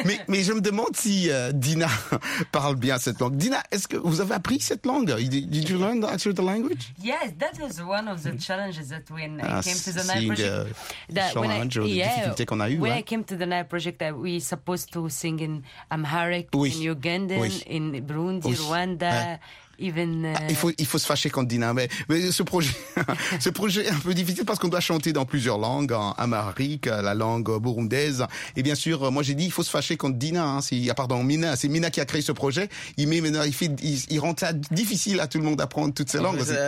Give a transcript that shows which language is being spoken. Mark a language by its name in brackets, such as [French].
[French] Mais je me demande si Dina parle bien cette langue. Dina, est-ce que vous avez appris cette langue? [English] Did you learn actually the language? Yes, that was one of the challenges that when I came to the Nile Project. [French] Difficulté qu'on a eu. [English] When I came to the Nile Project, that we supposed to sing in Amharic, in Ugandan, in Burundi, Rwanda. [French] Il faut se fâcher contre Dina, mais ce projet est un peu difficile parce qu'on doit chanter dans plusieurs langues, en amharique, la langue burundaise, et bien sûr, moi j'ai dit il faut se fâcher contre Dina, Mina, c'est Mina qui a créé ce projet, il rend ça difficile à tout le monde d'apprendre toutes ces langues.